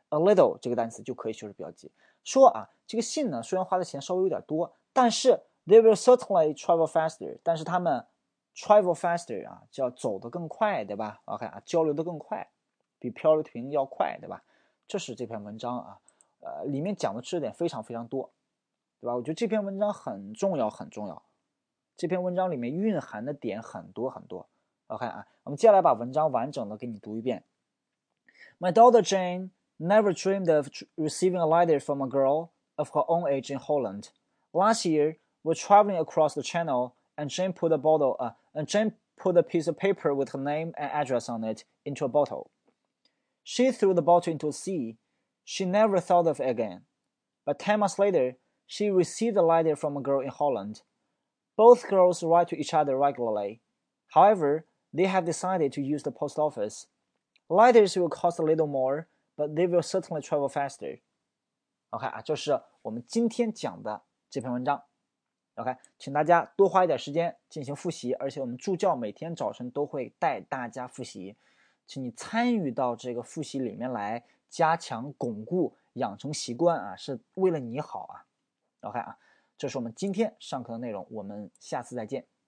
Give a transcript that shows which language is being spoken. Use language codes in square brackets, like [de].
[en] A little [zh] 这个单词就可以修饰比较级，说啊，这个信呢，虽然花的钱稍微有点多，但是 [en] they will certainly travel faster， [zh] 但是他们 [en] travel faster [zh] 啊，叫走得更快，对吧 ？OK 啊，交流得更快，比漂流瓶要快，对吧？这是这篇文章啊，里面讲的知识点非常非常多，对吧？我觉得这篇文章很重要，很重要，这篇文章里面蕴含的点很多很多。 OK 啊，我们接下来把文章完整的给你读一遍 ， [en] My daughter Jane。Never dreamed of receiving a letter from a girl of her own age in Holland. Last year, we're traveling across the channel, and Jane put a bottle, and Jane put a piece of paper with her name and address on it into a bottle. She threw the bottle into the sea. She never thought of it again. But 10 months later, she received a letter from a girl in Holland. Both girls write to each other regularly. However, they have decided to use the post office. Letters will cost a little more, but they will certainly travel faster. [zh] OK, 这是我们今天讲的这篇文章。OK, 请大家多花一点时间进行复习，而且我们助教每天早晨都会带大家复习。请你参与到这个复习里面来，加强巩固养成习惯啊，是为了你好啊。OK 啊，这是我们今天上课的内容，我们下次再见。